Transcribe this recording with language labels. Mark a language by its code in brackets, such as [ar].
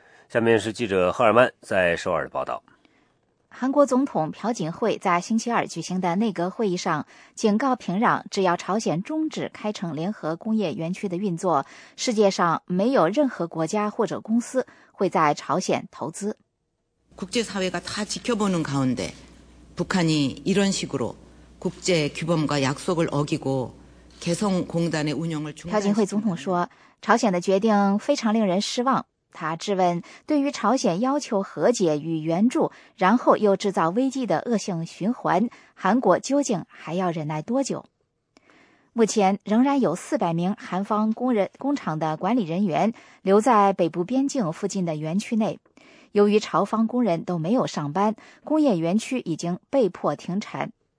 [zh] 下面是记者赫尔曼在首尔的报道。韩国总统朴槿惠在星期二举行的内阁会议上警告平壤，只要朝鲜终止开城联合工业园区的运作，世界上没有任何国家或者公司会在朝鲜投资。 [ko] 국제사회가다지켜보는가운데북한이이런식으로국제규범과약속을어기고개성공단의운영을중 [zh] 단。朴槿惠总统说，朝鲜的决定非常令人失望。他质问对于朝鲜要求和解与援助然后又制造危机的恶性循环，韩国究竟还要忍耐多久？目前仍然有400名韩方工厂的管理人员留在北部边境附近的园区内，由于朝方工人都没有上班，工业园区已经被迫停产。